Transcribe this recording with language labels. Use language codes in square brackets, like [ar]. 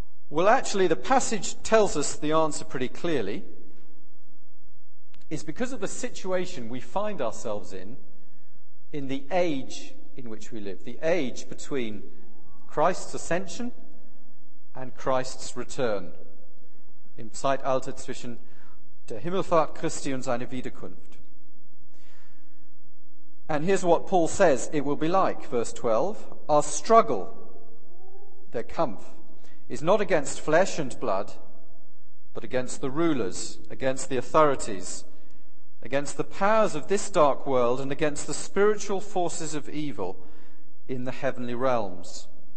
[en] Well, actually, the passage tells us the answer pretty clearly. Is because of the situation we find ourselves in the age in which we live, the age between Christ's ascension and Christ's return. [de] Im Zeitalter zwischen der Himmelfahrt Christi und seine Wiederkunft. [en] And here's what Paul says it will be like, verse 12. Our struggle, [de] der Kampf, [en] is not against flesh and blood, but against the rulers, against the authorities, against the powers of this dark world and against the spiritual forces of evil in the heavenly realms.